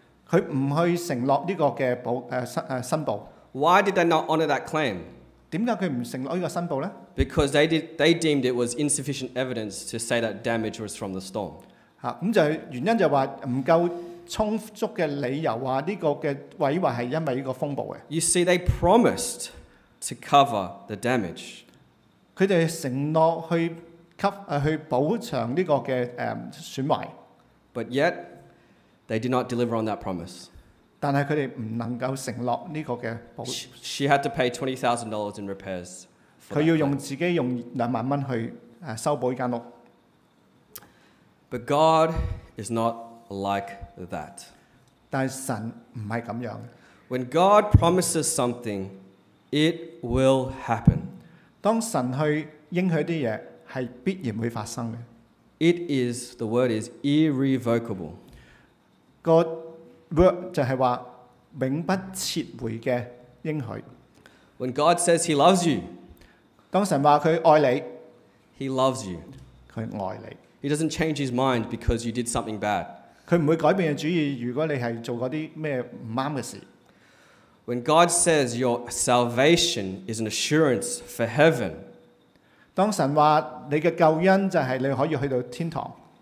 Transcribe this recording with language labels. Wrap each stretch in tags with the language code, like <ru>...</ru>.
<yue>佢唔去承諾呢個嘅保申報。</yue> <en>Why did they not honor that claim?</en> <yue>點解佢唔承諾呢個申報咧</yue> <en>？Because they deemed it was insufficient evidence to say that damage was from the storm.</en> <yue>咁就原因就話唔夠充足嘅理由話呢個嘅毀壞係因為呢個風暴嘅。</yue> <en>You see, they promised to cover the damage.</en> <yue>佢哋承諾去補償呢個嘅損壞。</yue> <en>But yet, they did not deliver on that promise.</en> <yue>但係佢哋唔能夠承諾呢個嘅保。</yue> <en>She had to pay $20,000 in repairs.</en> <yue>佢要用自己用$20,000去修補依間屋。</yue> <en>But God is not like that.</en> <yue>但係神唔係咁樣。</yue> <en>When God promises something, it will happen.</en> <yue>當神去應許啲嘢，係必然會發生嘅。</yue> <en>It is, the word is irrevocable.</en> <yue>個 word 就係話永不撤回嘅應許。</yue> <en>When God says He loves you,</en> <yue>當神話佢愛你</yue> <en>，He loves you.</en> <yue>佢愛你。</yue> <en>He doesn't change His mind because you did something bad.</en> <yue>佢唔會改變嘅主意，如果你係做嗰啲咩唔啱嘅事。</yue> <en>When God says your salvation is an assurance for heaven.</en> <yue>当神话你嘅救恩就系你可以去到天堂</yue>